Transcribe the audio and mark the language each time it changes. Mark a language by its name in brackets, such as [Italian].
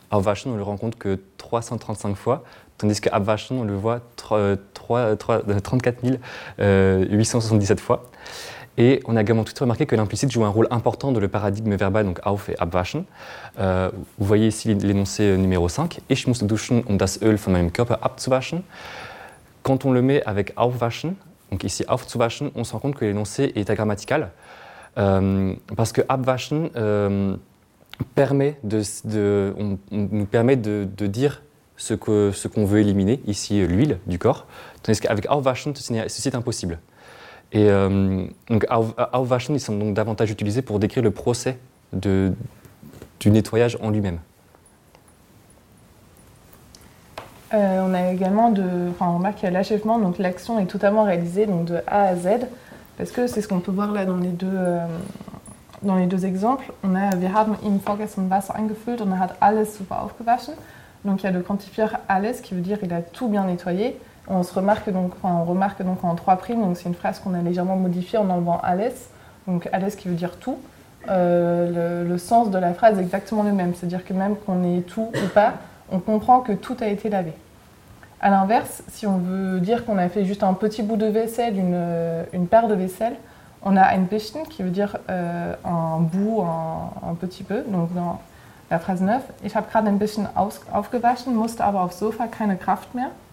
[French] Aufwaschen, on le rencontre que 335 fois, tandis que abwaschen, on le voit 34 877 fois. Et on a également tout remarqué que l'implicite joue un rôle important dans le paradigme verbal, donc auf et abwaschen. Vous voyez ici l'énoncé numéro 5. [German] Ich muss duschen, um das Öl von meinem Körper abzuwaschen. [French] Quand on le met avec aufwaschen, donc ici aufzuwaschen, on se rend compte que l'énoncé est agrammatical. Parce que abwaschen nous permet de dire ce qu'on veut éliminer, ici l'huile du corps, tandis qu'avec Auf-Waschen, ceci est impossible. Et donc Auf-Waschen, ils sont donc davantage utilisés pour décrire le procès du nettoyage en lui-même. On a également on remarque qu'il y a l'achèvement, donc l'action est totalement réalisée donc de A à Z, parce que c'est ce qu'on peut voir là dans les deux exemples. On a [German] Wir haben ihm vorgestern Wasser eingefüllt und hat alles super aufgewaschen. [French] Donc il y a le quantifieur alles qui veut dire il a tout bien nettoyé. On remarque donc en 3', donc c'est une phrase qu'on a légèrement modifiée en enlevant alles, donc alles qui veut dire tout. Le sens de la phrase est exactement le même, c'est-à-dire que même qu'on ait tout ou pas, on comprend que tout a été lavé. A l'inverse, si on veut dire qu'on a fait juste un petit bout de vaisselle, une paire de vaisselle, on a ein bisschen qui veut dire un petit peu, donc dans la phrase 9. [German] Ich habe gerade ein bisschen aufgewaschen, musste aber auf Sofa keine Kraft mehr.